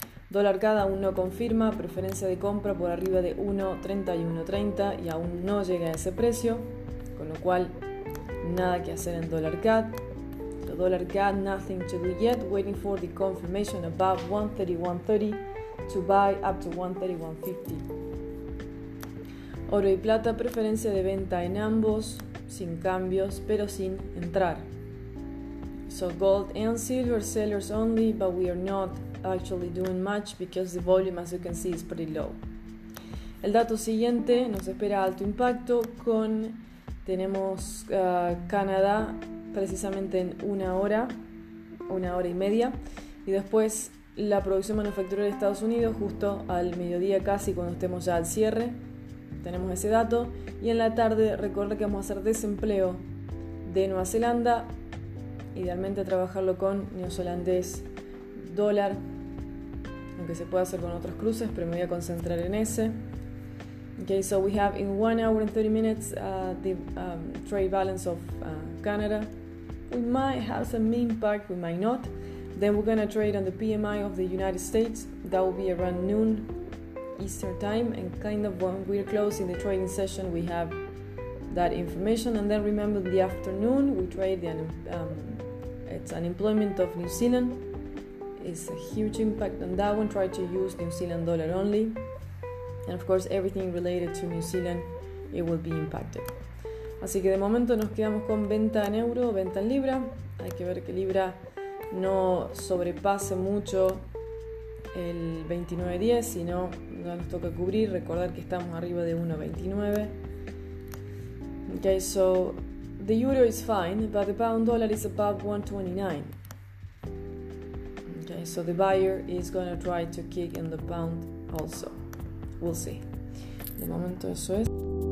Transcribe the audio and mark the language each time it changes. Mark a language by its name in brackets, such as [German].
[Spanish] Dólar cada aún no confirma, preferencia de compra por arriba de 1.3130 y aún no llega a ese precio, con lo cual nada que hacer en dólar CAD. [English] The dollar CAD, nothing to do yet, waiting for the confirmation above 130.130 to buy up to 130.150. [Spanish] Oro y plata, preferencia de venta en ambos, sin cambios, pero sin entrar. [English] So gold and silver sellers only, but we are not actually doing much because the volume, as you can see, is pretty low. [Spanish] El dato siguiente nos espera alto impacto con, tenemos Canadá, precisamente en una hora y media, y después la producción manufacturera de Estados Unidos justo al mediodía, casi cuando estemos ya al cierre, tenemos ese dato, y en la tarde recordar que vamos a hacer desempleo de Nueva Zelanda, idealmente trabajarlo con neozelandés dólar, aunque se puede hacer con otros cruces, pero me voy a concentrar en ese. [English] Okay, so we have in 1 hour and 30 minutes the trade balance of Canada. We might have some impact, we might not. Then we're gonna trade on the PMI of the United States. That will be around noon Eastern time, and kind of when we're closing the trading session, we have that information. And then remember, in the afternoon we trade the it's unemployment of New Zealand. It's a huge impact on that one. Try to use New Zealand dollar only. And of course, everything related to New Zealand, it will be impacted. [Spanish] Así que de momento nos quedamos con venta en euro, venta en libra. Hay que ver que libra no sobrepase mucho el 29.10, si no, ya nos toca cubrir. Recordar que estamos arriba de 1.29. [English] Okay, so the euro is fine, but the pound dollar is above 1.29. Okay, so the buyer is going to try to kick in the pound also. We'll see. [Spanish] De momento eso es.